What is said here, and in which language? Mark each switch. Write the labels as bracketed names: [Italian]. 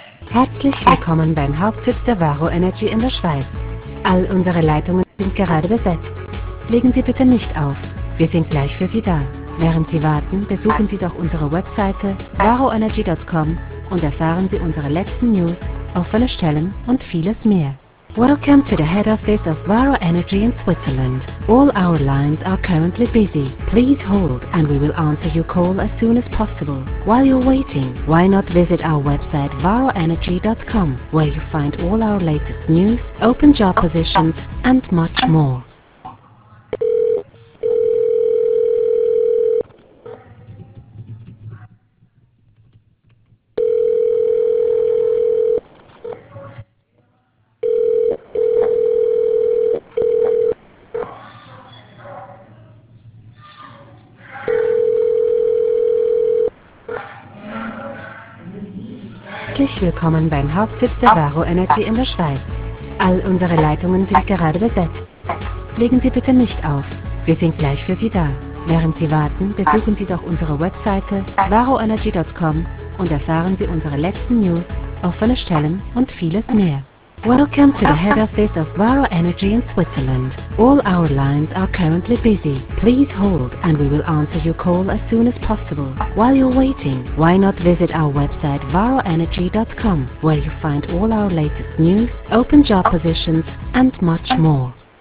[German] Herzlich willkommen beim Hauptsitz der Varo Energy in der Schweiz. All unsere Leitungen sind gerade besetzt. Legen Sie bitte nicht auf. Wir sind gleich für Sie da. Während Sie warten, besuchen Sie doch unsere Webseite varoenergy.com und erfahren Sie unsere letzten News, offene Stellen und vieles mehr. [English] Welcome to the head office of Varo Energy in Switzerland. All our lines are currently busy. Please hold and we will answer your call as soon as possible. While you're waiting, why not visit our website varoenergy.com, where you find all our latest news, open job positions and much more. [German] Herzlich willkommen beim Hauptsitz der Varo Energy in der Schweiz. All unsere Leitungen sind gerade besetzt. Legen Sie bitte nicht auf. Wir sind gleich für Sie da. Während Sie warten, besuchen Sie doch unsere Webseite varoenergy.com und erfahren Sie unsere letzten News, offene Stellen und vieles mehr. [English] Welcome to the head office of Varo Energy in Switzerland. All our lines are currently busy. Please hold and we will answer your call as soon as possible. While you're waiting, why not visit our website varoenergy.com, where you find all our latest news, open job positions, and much more.